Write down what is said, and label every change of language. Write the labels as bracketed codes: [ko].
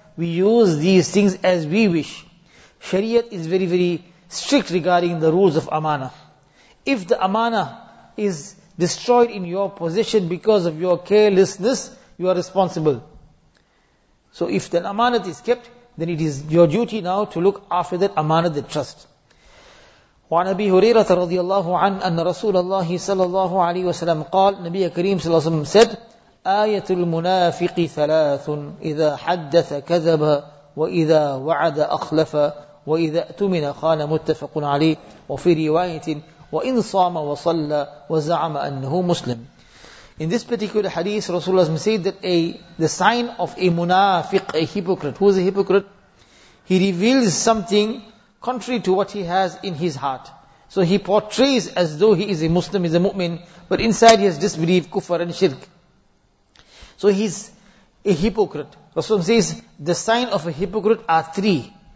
[en] We use these things as we wish. Shariat is very, very strict regarding the rules of amana. If the amana is destroyed in your possession because of your carelessness, you are responsible. So if the amanat is kept, then it is your duty now to look after that amanat, the trust. [ar] وعن أبي هريرة رضي الله عنه أن رسول الله صلى الله عليه وسلم قال نبي كريم صلى الله عليه وسلم said آية المنافق ثلاث إذا حدث كذب وإذا وعد أخلف وإذا أتمن خان متفق عليه وفي رواية وَإِنْ صَامَ وَصَلَّ وَزَعَمَ أَنَّهُ مُسْلِمٌ [en] In this particular hadith, Rasulullah said that the sign of a munafiq, a hypocrite. Who is a hypocrite? He reveals something contrary to what he has in his heart. So he portrays as though he is a Muslim, is a mu'min, but inside he has disbelief, kufr and shirk. So he's a hypocrite. Rasulullah says, the sign of a hypocrite are three.